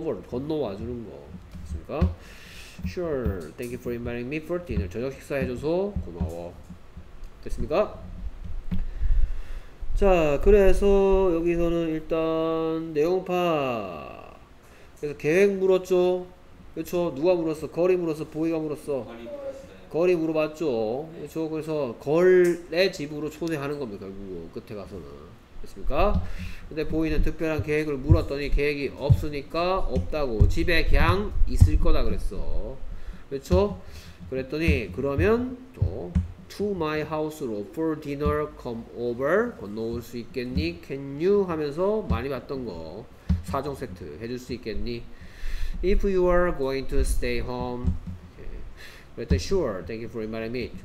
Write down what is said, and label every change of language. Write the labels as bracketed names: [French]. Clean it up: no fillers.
[Korean] 건너와 주는 거 맞습니까? [English] Sure, thank you for inviting me for dinner. [Korean] 저녁 식사 해줘서 고마워. 됐습니까? 자, 그래서 여기서는 일단 내용파 그래서 계획 물었죠? 그렇죠? 누가 물었어? 거리 물었어? 보이가 물었어? 거리 물어봤죠. 네. 그렇죠? 그래서 걸의 집으로 초대하는 겁니다. 결국 끝에 가서는 됐습니까? 근데 보이는 특별한 계획을 물었더니 계획이 없으니까 없다고 집에 그냥 있을 거다 그랬어. 그렇죠? 그랬더니 그러면 또 To my house로 [English] for dinner come over [Korean] 건너올 수 있겠니? [English] Can you? [Korean] 하면서 많이 봤던 거 4종 세트 해줄 수 있겠니? [English] If you are going to stay home [Korean] 그랬더니 [English] sure, thank you for inviting me.